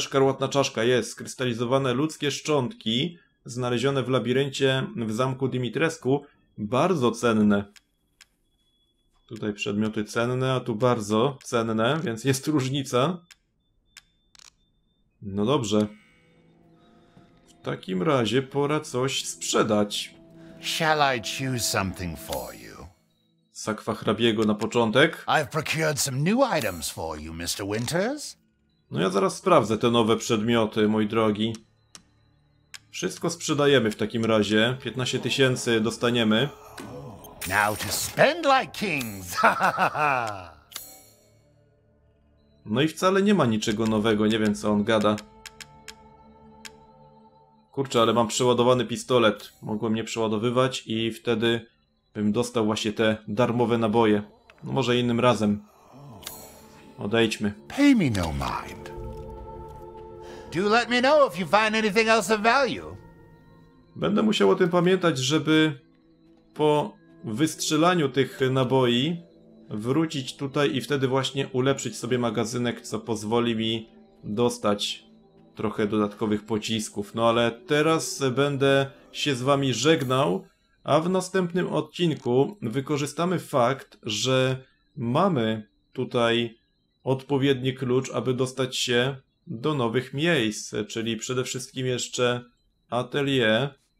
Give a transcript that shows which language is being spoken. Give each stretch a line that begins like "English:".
Polish: Szkarłatna czaszka jest. Skrystalizowane ludzkie szczątki znalezione w labiryncie w zamku Dimitrescu. Bardzo cenne. Tutaj przedmioty cenne, a tu bardzo cenne, więc jest różnica. No dobrze. W takim razie pora coś sprzedać.
English: Shall I choose something for you?
Polish: Sakwa hrabiego na początek.
English: I've procured some new items for you, Mr. Winters.
Polish: No ja zaraz sprawdzę te nowe przedmioty, mój drogi. Wszystko sprzedajemy w takim razie. 15 tysięcy dostaniemy.
English: Now to spend like kings.
Polish: No i wcale nie ma niczego nowego, nie wiem co on gada. Kurczę, ale mam przeładowany pistolet. Mogłem nie przeładowywać i wtedy bym dostał właśnie te darmowe naboje. No może innym razem. Odejdźmy.
English: Pay me no mind. Do let me know if you find anything else of value.
Polish: Będę musiał o tym pamiętać, żeby po wystrzelaniu tych naboi wrócić tutaj i wtedy właśnie ulepszyć sobie magazynek, co pozwoli mi dostać trochę dodatkowych pocisków. No ale teraz będę się z wami żegnał, a w następnym odcinku wykorzystamy fakt, że mamy tutaj odpowiedni klucz, aby dostać się do nowych miejsc, czyli przede wszystkim jeszcze atelier.